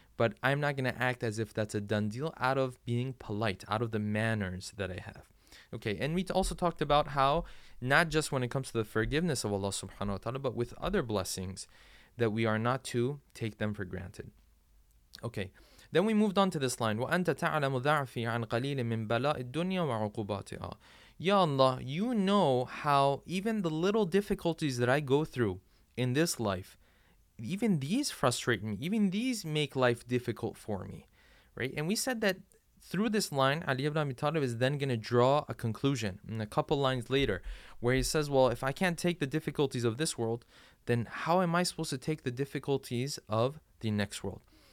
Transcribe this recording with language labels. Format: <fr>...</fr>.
<en>But I'm not going to act as if that's a done deal out of being polite, out of the manners that I have. Okay, and we also talked about how not just when it comes to the forgiveness of Allah subhanahu wa ta'ala, but with other blessings that we are not to take them for granted. Okay. Then we moved on to this line,</en> <ar>وَأَنْتَ تَعْلَمُ ذَعْفِي عَنْ قَلِيلٍ مِّنْ بَلَاءِ الدُّنْيَا وَعُقُوبَاتِهَا.</ar> <en>Ya Allah, you know how even the little difficulties that I go through in this life, even these frustrate me, even these make life difficult for me, right? And we said that through this line, Ali ibn Abi Talib is then going to draw a conclusion in a couple lines later, where he says, well, if I can't take the difficulties of this world, then how am I supposed to take the difficulties of the next world?</en>